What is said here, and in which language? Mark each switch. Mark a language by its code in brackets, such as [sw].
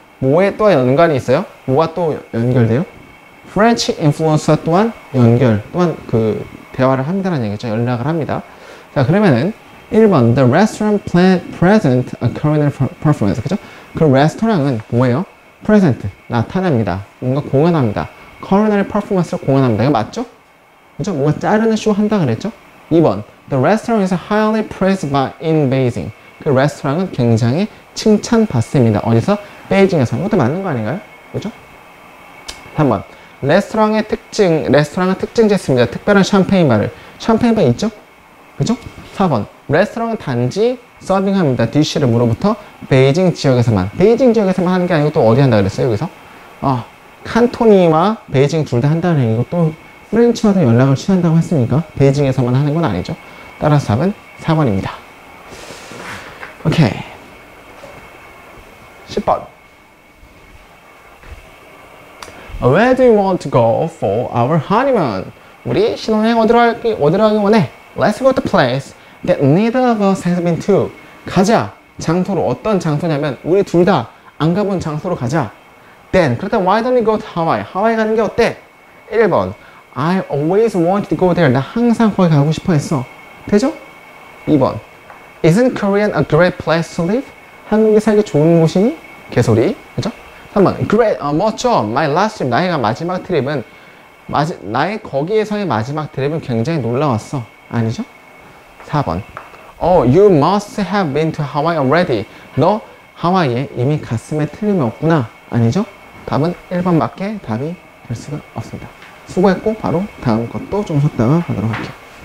[ko] 뭐에 또 연관이 있어요? 뭐가 또 연결돼요? French influence와 또한 연결, 또한 그 대화를 한다는 얘기죠. 연락을 합니다. 자, 그러면은 1번 [en] The restaurant present a culinary performance, [ko] 그죠? 그 레스토랑은 뭐예요? present, 나타납니다. 뭔가 공연합니다. culinary performance를 공연합니다. 이거 맞죠? 그죠? 뭔가 자르는 쇼 한다 그랬죠? [en] 2번 The restaurant is highly praised by in Beijing. [ko] 그 레스토랑은 굉장히 칭찬받습니다. 어디서? 베이징에서. 이것도 맞는 거 아닌가요? 그죠? 3번 레스토랑의 특징 짓습니다. 특별한 샴페인 바를. 샴페인 바 있죠? 그죠? 4번 레스토랑은 단지 서빙합니다. 디쉬를 물어부터 베이징 지역에서만 하는 게 아니고 또 어디 한다 그랬어요? 여기서? 칸토니와 베이징 둘 다 한다는 얘기고 또 프렌치와도 연락을 취한다고 했으니까 베이징에서만 하는 건 아니죠. 따라서 답은 4번입니다. 오케이. 10번. [en] Where do you want to go for our honeymoon? [ko] 우리 신혼여행 어디로 가기 원해? [en] Let's go to place that neither of us has been to. [ko] 가자. 장소로 어떤 장소냐면 우리 둘 다 안 가본 장소로 가자. [en] Then, [ko] 그렇다 [en] why don't you go to Hawaii? Hawaii [ko] 가는 게 어때? [en] 1번 I always wanted to go there. [ko] 나 항상 거기 가고 싶어 했어. 되죠? [en] 2번 Isn't Korea a great place to live? [ko] 한국에 살기 좋은 곳이니? 개소리. 그죠? 3번 [en] Great, [ko] 멋져. [en] My last trip, [ko] 나의 거기에서의 마지막 트립은 굉장히 놀라웠어. 아니죠? [en] 4번 Oh, you must have been to Hawaii already. [ko] 너 하와이에 이미 갔음에 틀림이 없구나. 아니죠? 답은 1번 맞게 답이 될 수가 없습니다. 수고했고 바로 다음 것도 좀 썼다가 보도록 할게요.